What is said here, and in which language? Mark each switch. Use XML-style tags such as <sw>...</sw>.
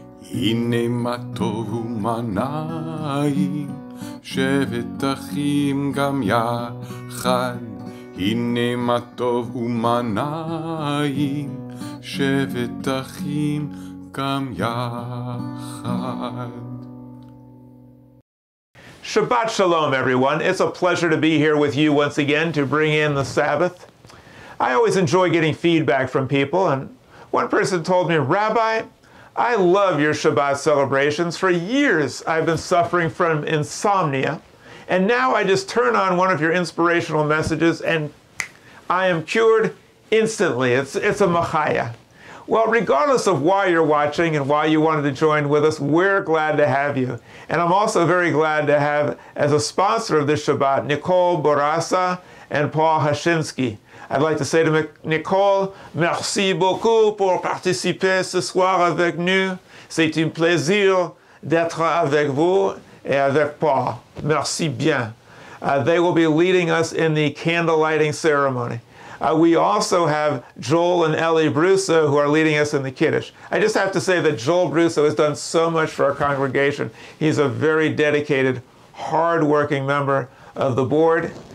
<he>הנה מה טוב ומה נעים, שבת אחים גם יחד. הנה מה טוב ומה נעים, שבת אחים גם יחד.</he> <en>Shabbat Shalom, everyone. It's a pleasure to be here with you once again to bring in the Sabbath. I always enjoy getting feedback from people, and one person told me, Rabbi, I love your Shabbat celebrations. For years, I've been suffering from insomnia, and now I just turn on one of your inspirational messages, and I am cured instantly. It's a machaya. Well, regardless of why you're watching and why you wanted to join with us, we're glad to have you. And I'm also very glad to have, as a sponsor of this Shabbat, Nicole Borassa and Paul Hashinsky. I'd like to say to Nicole,</en> <fr>merci beaucoup pour participer ce soir avec nous. C'est un plaisir d'être avec vous et avec Paul. Merci bien.</fr> <en>They will be leading us in the candle lighting ceremony. We also have Joel and Ellie Brusso, who are leading us in the Kiddush. I just have to say that Joel Brusso has done so much for our congregation. He's a very dedicated, hardworking member of the board.</en>